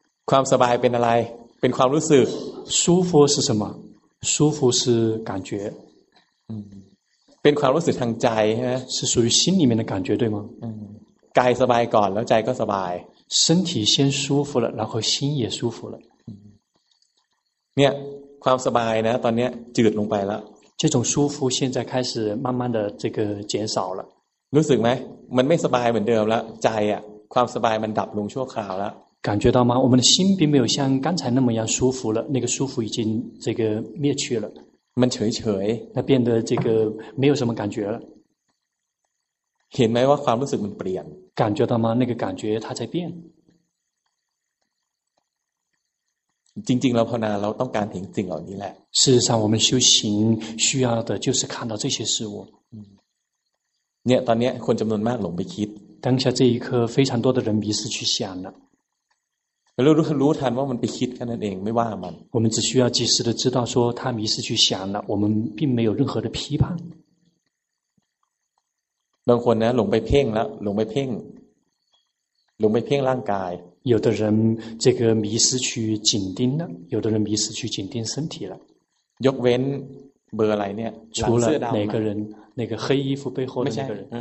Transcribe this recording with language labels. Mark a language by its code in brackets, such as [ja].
[th] ความสบายเป็นอะไรเป็นความรู้สึก [zh] 舒服是什么舒服是感觉 [th] เป็นความรู้สึกทางใจใช่ไหม [zh] 是属于心里面的感觉对吗 [th] กายสบายก่อนแล้วใจก็สบาย [zh] 身体先舒服了然后心也舒服了 [th] เนี่ยความสบายนะตอนนี้จืดลงไปแล้ว [zh] 这种舒服现在开始慢慢的这个减少了 [th] รู้สึกไหมมันไม่สบายเหมือนเดิมแล้วใจอ่ะความสบายมันดับลงชั่วคราวแล้ว [zh] 感觉到吗我们的心并没有像刚才那么样舒服了那个舒服已经这个灭去了 [th] มันเฉยเฉย [zh] 它变得这个没有什么感觉了 [th] เห็นไหมว่าความรู้สึกมันเปลี่ยน [zh] 感觉到吗那个感觉它在变 [th] จริงๆเราภาวนาเราต้องการเห็นสิ่งเหล่านี้แหละ [zh] 事实上我们修行需要的就是看到这些事物 [th] เนี่ยตอนนี้คนจำนวนมากหลงไปคิด [zh] 当下这一刻非常多的人迷失去想了 [th] แล้วรู้ทันว่ามันไปคิดแค่นั้นเองไม่ว่ามัน [zh] 我们只需要及时的知道说他迷失去想了我们并没有任何的批判 [th] บางคนนะหลงไปเพ่งแล้วหลงไปเพ่งร่างกาย [zh] 有的人这个迷失去紧盯了有的人迷失去紧盯身体了 [th] ยกเว้นเบอร์อะไรเนี่ย [zh] 除了哪个人那个黑衣服背后的那个人